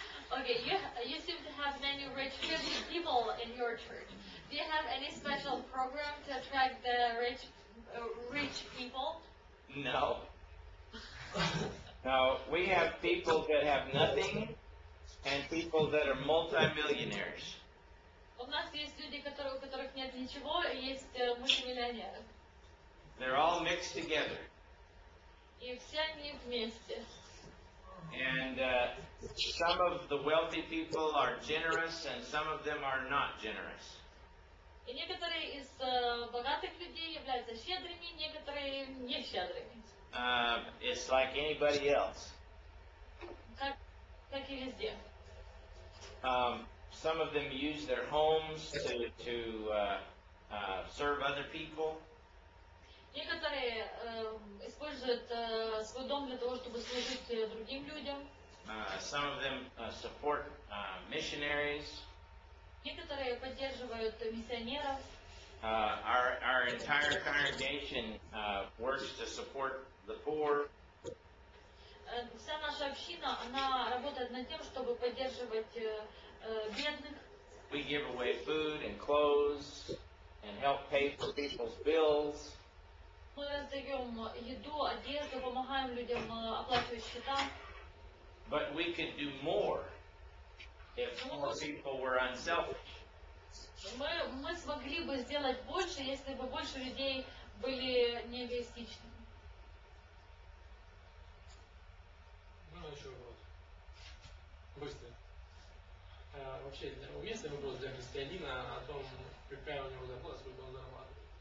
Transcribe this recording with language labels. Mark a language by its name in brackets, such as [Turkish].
[English] Okay, you seem to have many rich people in your church. Do you have any special program to attract the rich people? No. No, we have people that have nothing and people that are multimillionaires. [Russian] У нас есть люди, у которых нет ничего, и есть мультимиллионеры. [English] They're all mixed together. [Russian] И все они вместе. [English] And some of the wealthy people are generous and some of them are not generous. [Russian] И некоторые из богатых людей являются щедрыми, некоторые не щедрыми. [English] It's like anybody else. [Russian] Как и везде. [English] Some of them use their homes to serve other people. [Russian] Некоторые используют свой дом для того, чтобы служить другим людям. [English] Some of them support missionaries. [Russian] Некоторые поддерживают миссионеров. [English] Our entire congregation works to support the poor. [Russian] Вся наша община, она работает над тем, чтобы поддерживать бедных. [English] We give away food and clothes and help pay for people's bills. [Russian] Мы раздаем еду, одежду, помогаем людям оплачивать счета. [English] But we could do more if more people were unselfish. [Russian] Мы смогли бы сделать больше, если бы больше людей были не эгоистичны. Было еще вопрос. Быстро. Вообще, уместный вопрос для христианина о том, какая у него зарплата, сколько он зарабатывает.